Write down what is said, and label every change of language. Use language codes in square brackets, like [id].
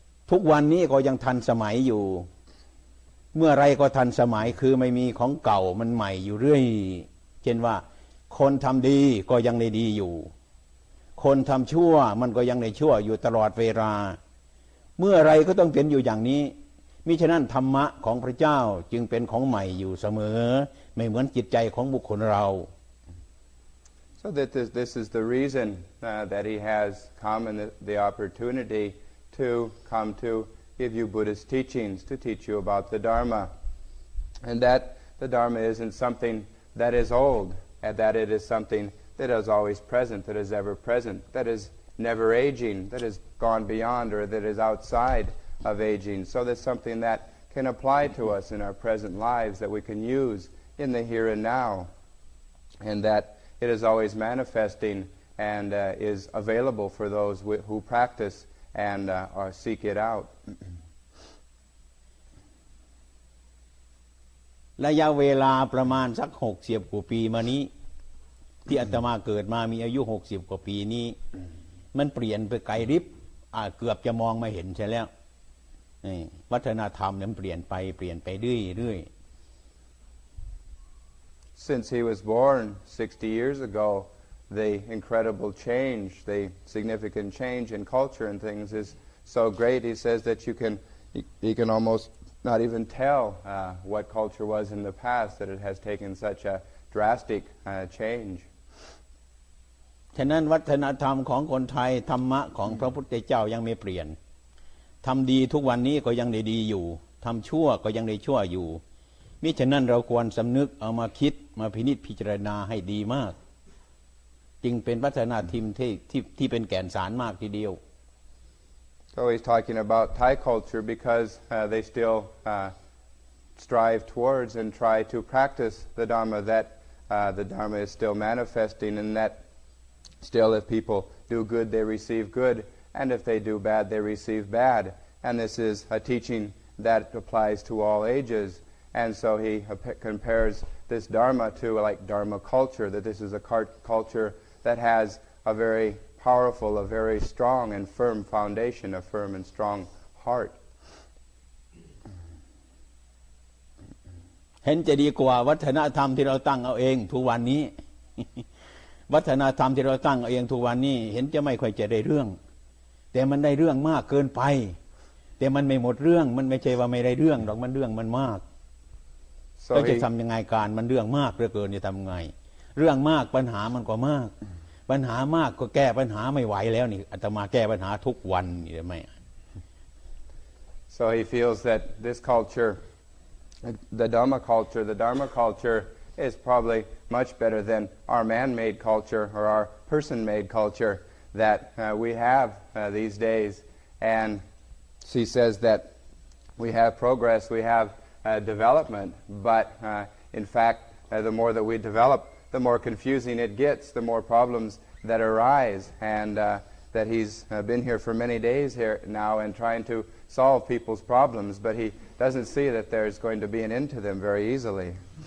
[th] ทุกวันนี้ก็ยังทันสมัยอยู่เมื่อไรก็ทันสมัยคือไม่มีของเก่ามันใหม่อยู่เรื่อยเช่นว่าคนทำดีก็ยังในดีอยู่คนทำชั่วมันก็ยังในชั่วอยู่ตลอดเวลาเมื่อไรก็ต้องเป็นอยู่อย่างนี้มิฉะนั้นธรรมะของพระเจ้าจึงเป็นของใหม่อยู่เสมอไม่เหมือนจิตใจของบุคคลเรา [en] So that this is the reason that he has come and the opportunity to come toGive you Buddhist teachings to teach you about the Dharma, and that the Dharma isn't something that is old, and that it is something that is always present, that is ever present, that is never aging, that has gone beyond or that is outside of aging. So there's something that can apply to us in our present lives that we can use in the here and now, and that it is always manifesting and is available for those who practice and seek it out. [th] ระยะเวลาประมาณสัก60กว่าปีมานี้ที่อาตมาเกิดมามีอายุ60กว่าปีนี้มันเปลี่ยนไปไกลริบเกือบจะมองไม่เห็นใช่แล้ววัฒนธรรมเนี่ยเปลี่ยนไปเปลี่ยนไปเรื่อย [en] ๆ Since he was born 60 years ago, the incredible change, the significant change in culture and things is so great, he says that you can almost not even tell what culture was in the past, that it has taken such a drastic change. [th] ฉะนั้นวัฒนธรรมของคนไทยธรรมะของพระพุทธเจ้ายังไม่เปลี่ยนทำดีทุกวันนี้ก็ยังได้ดีอยู่ทำชั่วก็ยังได้ชั่วอยู่มิฉะนั้นเราควรสำนึกเอามาคิดมาพินิจพิจารณาให้ดีมากจึงเป็นวัฒนธรรมที่เป็นแก่นสารมากทีเดียว [en] So he's talking about Thai culture because they still strive towards and try to practice the Dharma that the Dharma is still manifesting and that still if people do good they receive good and if they do bad they receive bad and this is a teaching that applies to all ages and so he compares this Dharma to like Dharma culture that this is a culture that has a very powerful, a very strong and firm foundation, a firm and strong heart. [th] เห็นจะดีกว่าวัฒนธรรมที่เราตั้งเอาเองทุกวันนี้วัฒนธรรมที่เราตั้งเอาเองทุกวันนี้เห็นจะไม่ค่อยจะได้เรื่องแต่มันได้เรื่องมากเกินไปแต่มันไม่หมดเรื่องมันไม่ใช่ว่าไม่ได้เรื่องหรอกมันเรื่องมันมากแล้วจะทำยังไงการมันเรื่องมากเหลือเกินจะทำไงเรื่องมากปัญหามันก็มากปัญหามากก็แก้ปัญหาไม่ไหวแล้วนี่อาตมาแก้ปัญหาทุกวันนี่ได้มั้ย [en] So he feels that this culture the Dharma culture is probably much better than our man-made culture or our person-made culture that we have these days and she says that we have progress we have development but in fact the more that we developthe more confusing it gets, the more problems that arise, and that he's been here for many days here now and trying to solve people's problems, but he doesn't see that there's going to be an end to them very easily.